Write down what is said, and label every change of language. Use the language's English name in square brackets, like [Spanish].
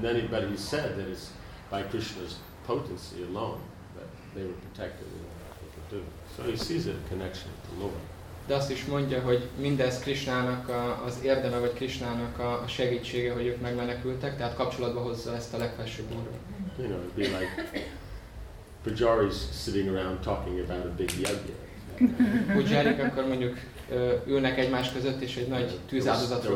[English] But he said that it's by Krishna's potency alone that they were protected and they could do. So he sees a connection with the Lord. [Hungarian] De azt is mondja, hogy mindez Krishnának az érdeme, vagy Krishnának a segítsége, hogy ők megmenekültek, tehát kapcsolatba hozza ezt a legfelsőbb úrral. [English] You know, it'd be like Pujaris sitting around talking about a big yajna. [Hungarian] Pujarik akkor mondjuk ülnek egymás között, és egy nagy tűzáldozatról